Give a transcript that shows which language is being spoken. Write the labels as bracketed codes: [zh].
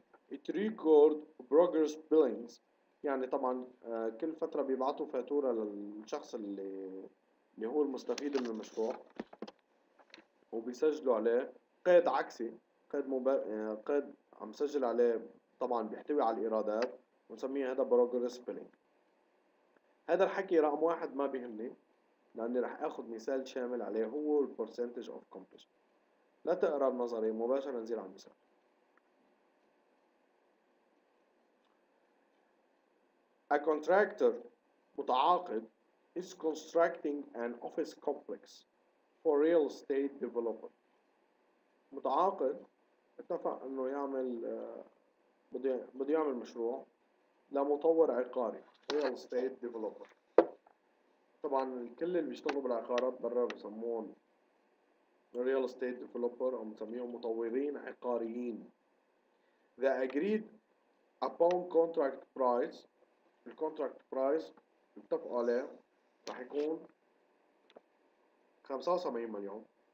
[en] It record progress billings، [ar] يعني طبعا كل فترة بيبعتوا فاتورة للشخص اللي هو المستفيد من المشروع وبيسجلوا عليه قيد عكسي، قيد قيد عم سجل عليه طبعا بيحتوي على الإيرادات ونسميه هذا progress billing. هذا الحكي رقم واحد ما بيهمني لأني رح أخذ مثال شامل عليه هو الـ percentage of completion. لا تقرأ النظري مباشرة، نزيل على المثال. [en] A contractor متعاقد is constructing an office complex for real estate developer. [ar] متعاقد اتفق انه يعمل بده يعمل مشروع لمطور عقاري real estate developer. طبعا كل اللي بيشتغلوا بالعقارات برا بسموهم real estate developer او بسميهم مطورين عقاريين. [en] They agreed upon contract price. [ar] الـ contract price اتفقوا عليه راح يكون 75 مليون.